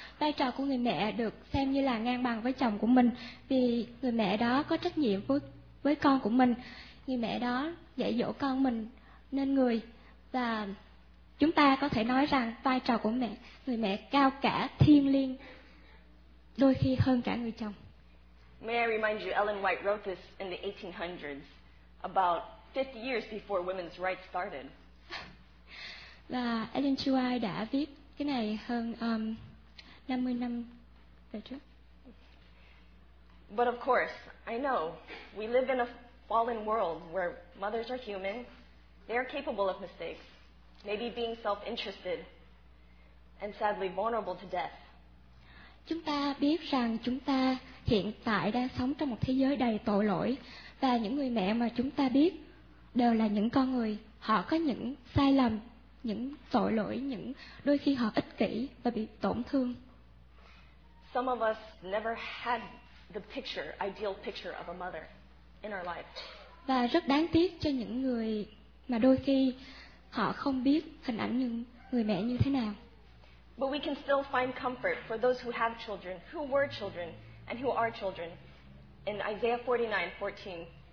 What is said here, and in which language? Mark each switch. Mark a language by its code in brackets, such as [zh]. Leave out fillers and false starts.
[vi] Vai trò của người mẹ được xem như là ngang bằng với chồng của mình, vì người mẹ đó có trách nhiệm với con của mình. Người mẹ đó dạy dỗ con mình nên người, và Chúng ta có thể nói rằng vai trò của mẹ, người mẹ cao cả, thiêng liêng, đôi khi hơn cả người chồng. [en] May I remind you, Ellen White wrote this in the 1800s, about 50 years before women's rights started. [vi] Và Ellen White đã viết cái này hơn 50 năm về trước. [en] But of course, I know, we live in a fallen world where mothers are human, they are capable of mistakes, maybe being self-interested, and sadly vulnerable to death. [vi] Chúng ta biết rằng chúng ta hiện tại đang sống trong một thế giới đầy tội lỗi, và những người mẹ mà chúng ta biết đều là những con người, họ có những sai lầm, những tội lỗi, những đôi khi họ ích kỷ và bị tổn thương. [en] Some of us never had the picture, ideal picture of a mother in our life. [vi] Và rất đáng tiếc cho những người mà đôi khi họ không biết hình ảnh người mẹ như thế nào. [en] But we can still find comfort for those who have children, who were children, and who are children, in Isaiah 49:14-15.